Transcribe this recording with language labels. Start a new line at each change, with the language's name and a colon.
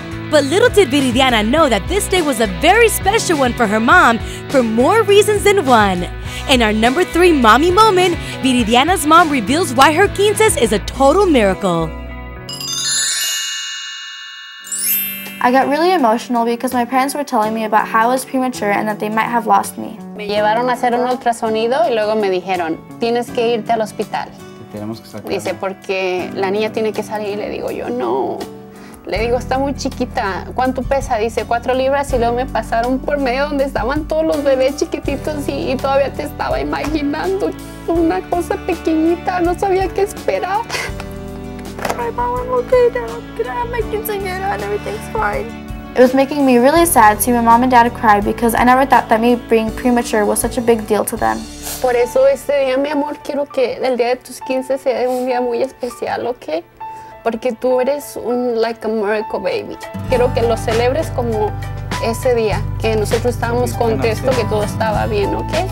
English: But little did Viridiana know that this day was a very special one for her mom for more reasons than one. In our number 3 mommy moment, Viridiana's mom reveals why her 15's is a total miracle. I got really emotional because my parents were telling me about how I was premature and that they might have lost me.
Spanish: Me llevaron a hacer un ultrasonido y luego me dijeron, tienes que irte al hospital. Tenemos que sacar. Dice, porque la niña tiene que salir. Y le digo yo, no. Le digo, está muy chiquita. ¿Cuánto pesa? Dice, 4 libras. Y luego me pasaron por medio donde estaban todos los bebés chiquititos y todavía te estaba imaginando una cosa pequeñita. No sabía qué esperar.
English: My mom, I'm okay now. Can I have my quinceañera and everything's fine? It was making me really sad seeing my mom and dad cry because I never thought that me being premature was such a big deal to them.
Spanish: Por eso este día, mi amor, quiero que el día de tus 15 sea un día muy especial, okay? Porque tú eres un
English: like a miracle baby.
Spanish: Quiero que lo celebres como ese día que nosotros estábamos contentos, que todo estaba bien, okay?